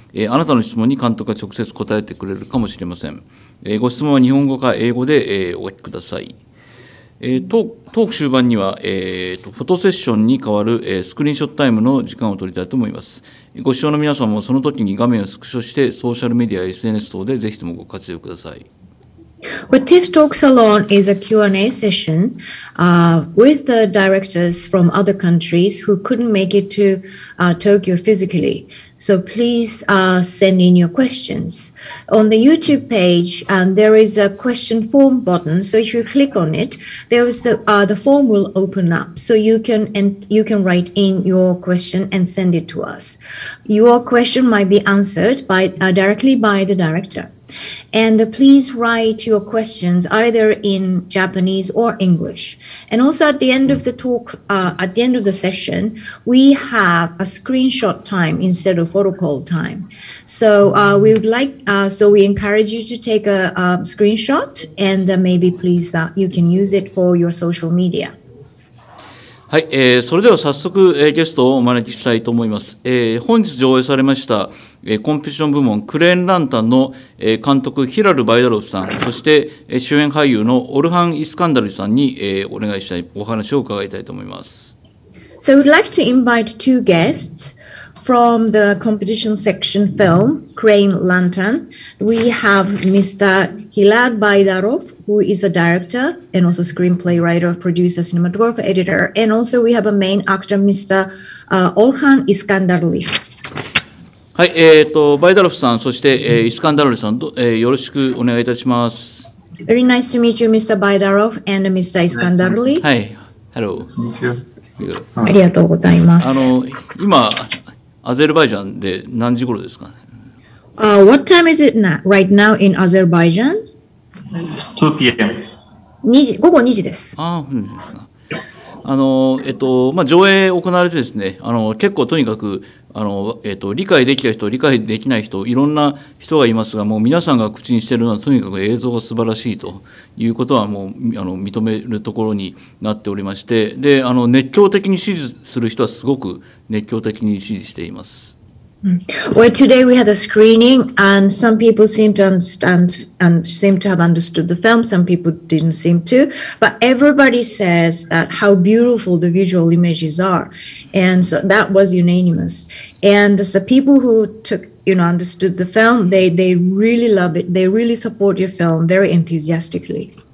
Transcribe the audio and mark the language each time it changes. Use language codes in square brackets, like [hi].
[ja] あなたの質問に監督が直接答えてくれるかもしれません。ご質問は日本語か英語で、お聞きください。トーク終盤には、フォトセッションに代わる、スクリーンショットタイムの時間を取りたいと思います。ご視聴の皆さんもその時に画面をスクショしてソーシャルメディア、SNS 等でぜひともご活用ください。 [en] The TIFF Talk Salon is a Q&A session, with the directors from other countries who couldn't make it to, Tokyo physically. So please, send in your questions. On the YouTube page, there is a question form button. So if you click on it, there is the form will open up. So you can write in your question and send it to us. Your question might be answered by, directly by the director. And please write your questions either in Japanese or English. And also at the end of the talk, at the end of the session, we have a screenshot time instead of photo call time. So, we would like, so we encourage you to take a screenshot and maybe please that you can use it for your social media. [ja] はい、それでは早速、ゲストをお招きしたいと思います。本日上映されました、コンペティション部門クレーンランタンの、監督ヒラル・バイダロフさん、そして、主演俳優のオルハン・イスカンダルさんに、お願いしたいお話を伺いたいと思います。 [en] So I would like to invite two guests from the competition section film Crane Lantern. We have Mr. Hilal Baydarov, who is the director and also screenplay writer, producer, cinematographer, editor. And also we have a main actor, Mr. Orhan Iskandarli. [ja] はい、Baydarov さん、そして、Iskandarli さん、よろしくお願いいたします。 [en] Very nice to meet you, Mr. Baydarov and Mr. Iskandarli. [ja] はい、 [en] Hello. [ja] ありがとうございます。今、アゼルバイジャンで何時頃ですか、ね [en] what time is it now, right now in Azerbaijan? 2 p.m. [ja] 午後2時です。ああ、うん。まあ、上映行われてですね、結構とにかく、理解できた人、理解できない人、いろんな人がいますが、もう皆さんが口にしているのは、とにかく映像が素晴らしいということは、もう認めるところになっておりまして、で熱狂的に支持する人はすごく熱狂的に支持しています。 [en] Well, today we had a screening, and some people seemed to understand and seemed to have understood the film, some people didn't seem to, but everybody says that how beautiful the visual images are, and so that was unanimous. And the people who took, understood the film, they really love it, they really support your film very enthusiastically.